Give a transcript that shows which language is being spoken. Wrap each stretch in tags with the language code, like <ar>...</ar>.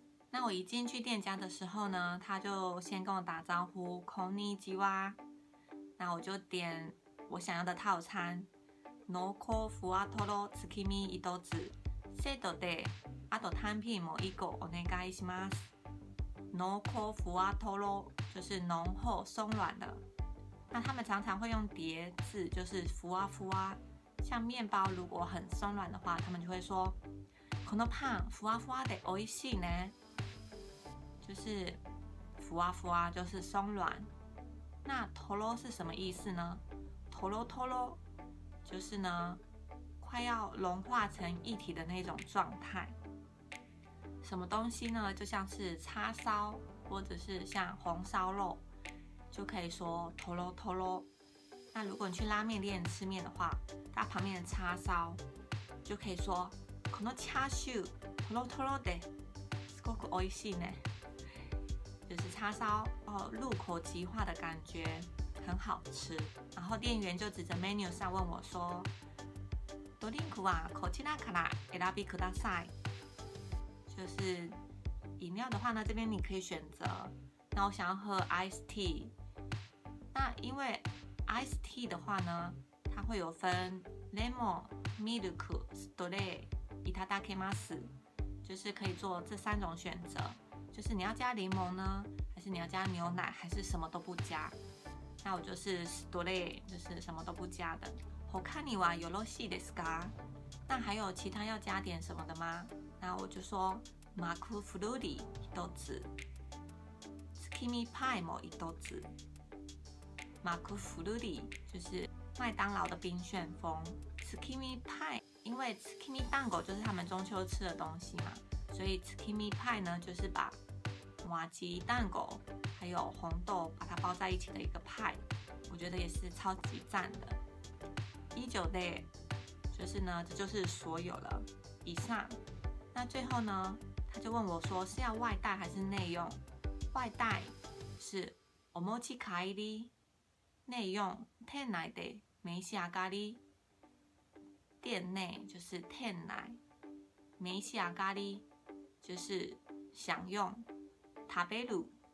<zh>那我一进去店家的时候呢，他就先跟我打招呼，</zh> <ja>こんにちは。</ja> <zh>那我就点我想要的套餐，</zh> <ja>濃厚ふわとろ月見一つセットで、あと単品も一個お願いします。</ja> <zh>濃厚ふわとろ就是浓厚松软的，那他们常常会用叠字，就是ふわふわ，像面包如果很松软的话，他们就会说</zh> <ja>このパンふわふわで美味しいね，</ja> <zh>就是ふわふわ就是松软。那とろ是什么意思呢？とろとろ就是呢，快要融化成一体的那种状态。什么东西呢？就像是叉烧，或者是像红烧肉，就可以说トロトロ。那如果你去拉面店吃面的话，它旁边的叉烧就可以说</zh> <ja>このチャーシュートロトロで、すごく美味しいね。</ja> <zh>就是叉烧哦，入口即化的感觉。很好吃。然后店员就指着 menu 上问我说</zh> <ja>ドリンクはこちらから選びください。</ja> <zh>就是饮料的话呢，这边你可以选择。那我想要喝 ice tea。那因为 ice tea 的话呢，它会有分</zh> <en>lemon milk straight</en> <ja>いただけます，</ja> <zh>就是可以做这三种选择，就是你要加柠檬呢，还是你要加牛奶，还是什么都不加。那我就是ストレー，就是什么都不加的。</zh> <ja>他にはよろしいですか？</ja> <zh>那还有其他要加点什么的吗？那我就说</zh> <ja>マックフルーリー一つ、月見パイも一つ。</ja> <zh>マックフルーリー就是麦当劳的冰旋风，月見パイ因为月見蛋糕就是他们中秋吃的东西嘛，所以月見パイ呢就是把抹吉蛋糕还有红豆把它包在一起的一个派，我觉得也是超级赞的。以上で，就是呢，这就是所有了。以上，那最后呢，他就问我说是要外带还是内用？外带是お持ち帰り，内用</zh> <ja>店内で召し上がり。</ja> <zh>店内就是店内，召し上がり就是享用，食べる。</zh>